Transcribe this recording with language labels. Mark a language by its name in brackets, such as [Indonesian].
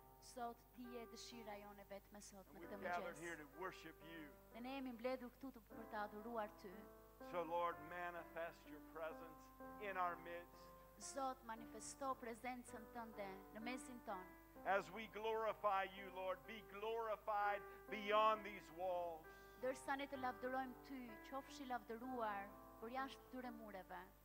[Albanian] Sot ti je dëshira jone vetme sot në këtë mëngjes. [English] We gather here to worship you. [Albanian] Ne jemi mbledhur këtu për të adhuruar ty. [English] So Lord, manifest your presence in our midst. [Albanian] Zot manifesto prezencën tënde në mesin tonë. [English] As we glorify you, Lord, be glorified beyond these walls. [Albanian] Dërsa ne të lavdërojmë ty, qofshi lavdëruar përjashtë këtyre mureve.